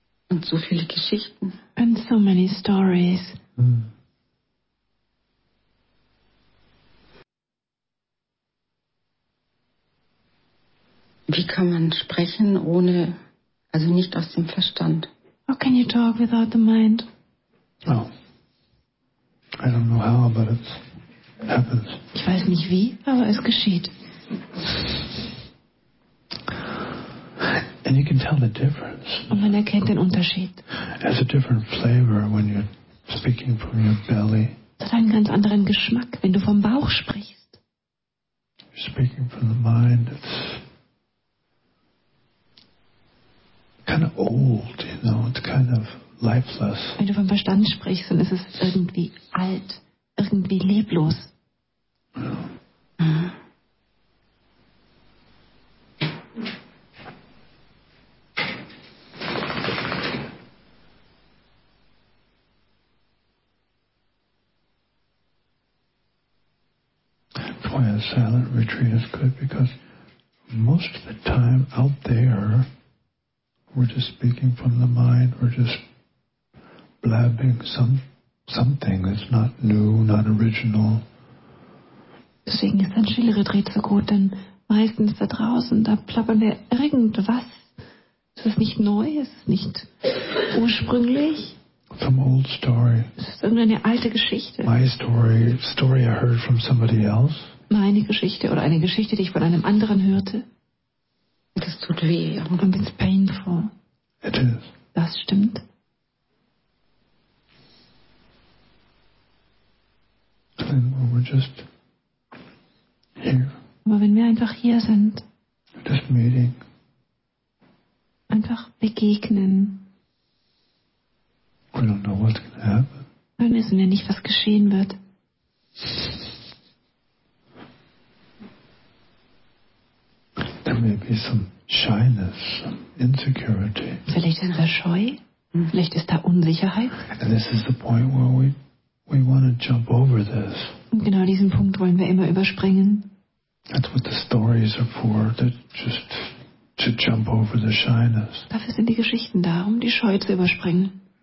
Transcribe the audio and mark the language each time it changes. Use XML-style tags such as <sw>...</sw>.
<de>Und so viele Geschichten.</de> <en>And so many stories.</en> <de>Wie kann man sprechen ohne, also nicht aus dem Verstand?</de> <en>How can you talk without the mind? Oh. I don't know how, but it happens.</en> <de>Ich weiß nicht wie, aber es geschieht.</de> <en>And you can tell the difference.</en> <de>Und man erkennt den Unterschied.</de> <en>It's a different flavor when you're speaking from your belly.</en> <de>Es hat einen ganz anderen Geschmack, wenn du vom Bauch sprichst.</de> <en>You're speaking from the mind. It's kind of old, you know. It's kind of lifeless.</en> <de>Wenn du vom Verstand sprichst, dann ist es irgendwie alt, irgendwie leblos.</de> <en>Yeah. Mhm. why a silent retreat is good, because most of the time out there, we're just speaking from the mind, we're just blabbing something that's not new, not original.</en> <de>Deswegen ist ein Stille-Retreat so gut, denn meistens da draußen, da plappern wir irgendwas. Es ist nicht neu, es ist nicht ursprünglich.</de> <en>Some old story.</en> <de>Es ist irgendeine alte Geschichte.</de> <en>My story, story I heard from somebody else.</en> <de>Meine Geschichte oder eine Geschichte, die ich von einem anderen hörte. Das tut weh.</de> <en>And it's painful. It is.</en> <de>Das stimmt.</de> <en>Then we're just here.</en> <de>Aber wenn wir einfach hier sind.</de> <en>Just meeting.</en> <de>Einfach begegnen.</de> <en>We don't know what's gonna happen.</en> <de>Dann wissen wir nicht, was geschehen wird.</de> <en>There may be some shyness, some insecurity.</en> <de>Vielleicht sind wir scheu. Vielleicht ist da Unsicherheit.</de> <en>And this is the point where we want to jump over this.</en> <de>Und genau diesen Punkt wollen wir immer überspringen.</de> <en>That's what the stories are for. That just to jump over the shyness.</en> <de>Dafür sind die Geschichten da, um die Scheu zu überspringen.</de>